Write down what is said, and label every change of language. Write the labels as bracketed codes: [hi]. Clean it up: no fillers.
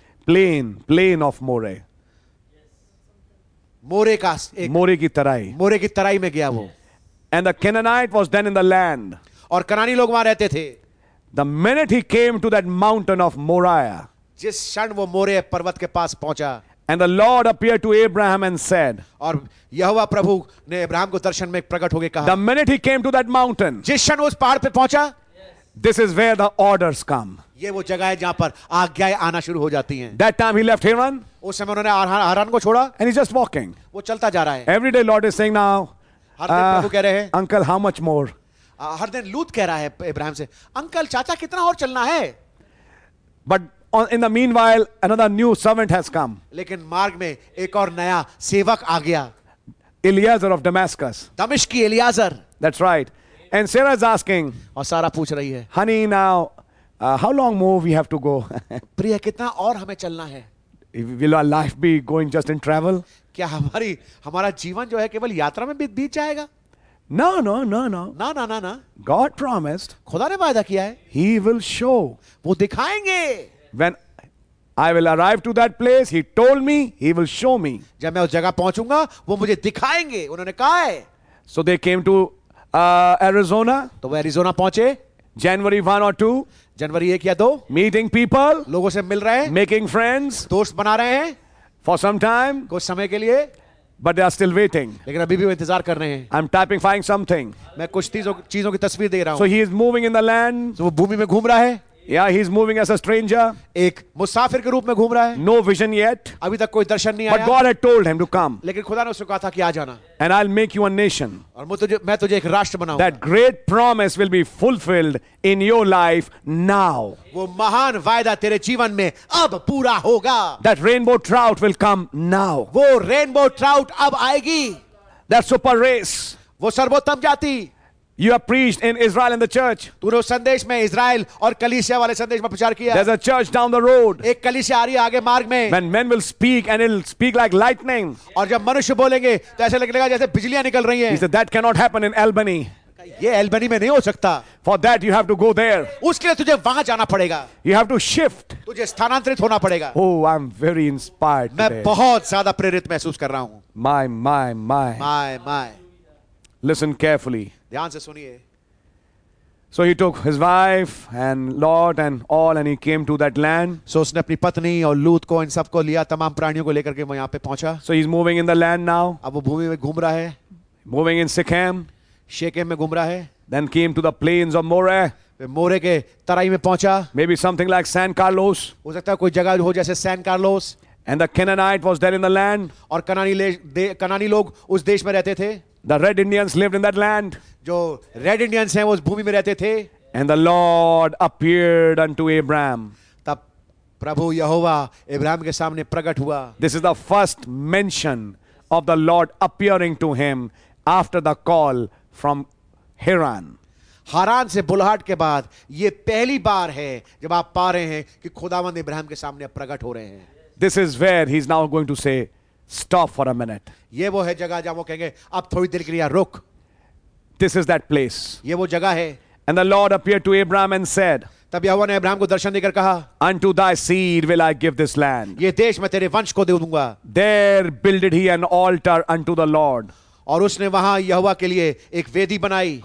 [en] plain of Moreh [hi] मोरे का एक मोरे की तराई में गया वो [en] and the Canaanite was then in the land [hi] और कनानी लोग वहां रहते थे [en] the minute he came to that mountain of Moriah [hi] जिस क्षण वो मोरे पर्वत के पास पहुंचा [en] And the Lord appeared to Abraham and said, [hi] और यहोवा प्रभु ने अब्राहम को दर्शन में प्रकट होकर कहा, [en] The minute he came to that mountain, [hi] जिस क्षण उस पहाड़ पे पहुंचा, [en] This is where the orders come. [hi] ये वो जगह है जहाँ पर आज्ञाएं आना शुरू हो जाती हैं. [en] That time he left Haran. [hi] उस समय उन्होंने हारान को छोड़ा. [en] And he's just walking. [hi] वो चलता जा रहा है. [en] Every day Lord is saying now. [hi] हर दिन प्रभु कह रहे हैं. [en] Uncle, how much more? [hi] हर दिन लूत कह रहा है इब्राहिम से. अंकल चाचा कितना और चलना है? [en] But in the meanwhile, another new servant has come. [hi] लेकिन मार्ग में एक और नया सेवक आ गया. [en] Eliezer of Damascus. [hi] दमिश्क की Eliezer. [en] That's right. And Sarah is asking, [hi] और सारा पूछ रही है, [en] Honey, now, how long more we have to go? [hi] प्रिया कितना और हमें चलना है? [en] Will our life be going just in travel? [hi] क्या हमारा जीवन जो है केवल यात्रा में बीत जाएगा? [en] No. God promised. [hi] खुदा ने वादा किया है. [en] He will show. [hi] वो दिखाएंगे. [en] When I will arrive to that place, he told me, he will show me. [hi] जब मैं उस जगह पहुंचूंगा, वो मुझे दिखाएंगे. उन्होंने कहा है. [en] So they came to Arizona. [hi] तो वो एरिजोना पहुंचे. [en] January 1 or 2. [hi] जनवरी एक या दो. [en] Meeting people. [hi] लोगों से मिल रहे हैं. [en] Making friends. [hi] दोस्त बना रहे हैं. [en] For some time. [hi] कुछ समय के लिए. [en] But they are still waiting. [hi] लेकिन अभी भी वो इंतजार कर रहे हैं. [en] I'm typing, finding something. [hi] मैं कुछ चीजों की तस्वीर दे रहा हूं. [en] So he is moving in the land. [hi] तो वो भूमि में घूम रहा है. [en] Yeah, he's moving as a stranger. [hi] एक मुसाफिर के रूप में घूम रहा है. [en] No vision yet. [hi] अभी तक कोई दर्शन नहीं [en] But [hi] आया. [en] But God had told him to come. [hi] लेकिन खुदा ने उसको कहा था कि आ जाना. [en] And I'll make you a nation. [hi] और मैं तुझे एक राष्ट्र बनाऊंगा. [en] That great promise will be fulfilled in your life now. [hi] वो महान वायदा तेरे जीवन में अब पूरा होगा. [en] That rainbow trout will come now. [hi] वो rainbow trout अब आएगी. [en] That super race. [hi] वो सर्वोत्तम जाति. [en] You have preached in Israel and the church. [hi] तूने संदेश में इज़राइल और कलीसिया वाले संदेश में प्रचार किया. [en] There's a church down the road. [hi] एक कलीसिया आ रही है आगे मार्ग में. [en] When men will speak and it'll speak like lightning. [hi] और जब मनुष्य बोलेंगे तो ऐसे लगेगा जैसे बिजलियां निकल रही हैं. [en] He said that cannot happen in Albany. [hi] ये एल्बनी में नहीं हो सकता. [en] For that you have to go there. [hi] उसके लिए तुझे वहां जाना पड़ेगा. [en] You have to shift. [hi] तुझे स्थानांतरित होना पड़ेगा. [en] Oh, I'm very inspired. [hi] मैं बहुत ज्यादा प्रेरित महसूस कर रहा हूं. [en] My. Listen carefully. [hi] ध्यान से सुनिए. [en] So he took his wife and Lot and all and he came to that land. [hi] So उसने अपनी पत्नी और लूत को इन सबको लिया, तमाम प्राणियों को लेकर के वो यहाँ पे पहुंचा. [en] So he's moving in the land now. [hi] अब वो भूमि में घूम रहा है. [en] Moving in Shechem. [hi] शेकेम में घूम रहा है. [en] Then came to the plains of Moreh. [hi] वे मोरे के तराई में पहुंचा. [en] Maybe something like San Carlos. [hi] हो सकता है कोई जगह हो जैसे San Carlos. [en] And the Canaanite was there in the land. [hi] और कनानी लोग उस देश में रहते थे. [en] The red Indians lived in that land. [hi] जो रेड इंडियंस हैं वो उस भूमि में रहते थे. [en] And the Lord appeared unto Abraham. [hi] तब प्रभु यहोवा इब्राहिम के सामने प्रकट हुआ. [en] This is the first mention of the Lord appearing to him after the call from Haran. [hi] हारान से बुलाहट के बाद ये पहली बार है जब आप पा रहे हैं कि खुदावंद इब्राहिम के सामने प्रकट हो रहे हैं. [en] This is where he's now going to say, "Stop for a minute." [hi] ये वो है जगह जहाँ वो कहेंगे, अब थोड़ी देर के लिए रुक. [en] This is that place. [hi] ये वो जगह है. [en] And the Lord appeared to Abraham and said, [hi] तब यहोवा ने अब्राहम को दर्शन देकर कहा, [en] "Unto thy seed will I give this land." [hi] ये देश मैं तेरे वंश को दे दूंगा. [en] There builded he an altar unto the Lord. [hi] और उसने वहां यहोवा के लिए एक वेदी बनाई.